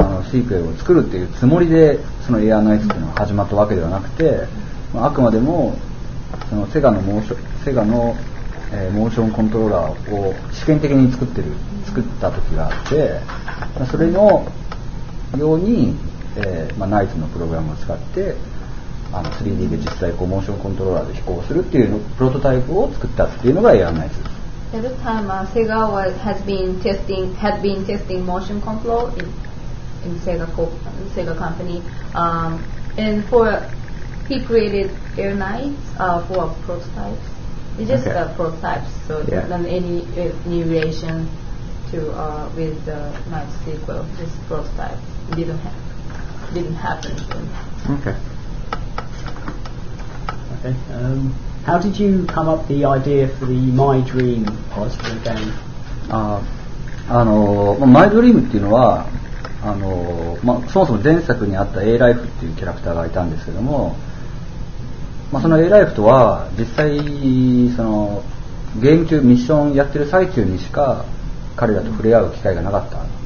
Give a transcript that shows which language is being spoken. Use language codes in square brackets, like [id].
[ja] シークエルを作るっていうつもりでそのエアナイツっていうのが始まったわけではなくて、まあ、あくまでもそのセガのモーションコントローラーを試験的に作った時があって、まあ、それのように、まあ、ナイツのプログラムを使って 3D で実際こうモーションコントローラーで飛行するっていうのプロトタイプを作ったっていうのがエアナイツです。 [en] At this time, Sega had been testing motion control in Sega company, and he created Air Knights for prototypes. It's just a prototype, so not any new relation to with the Knights sequel. Just prototypes didn't happen. Okay. How did you come up the idea for the My Dream part of the game? [ja] My Dream っていうのは、そもそも前作にあった A ライフっていうキャラクターがいたんですけども、まあ、その A ライフとは実際そのゲーム中ミッションやってる最中にしか彼らと触れ合う機会がなかった。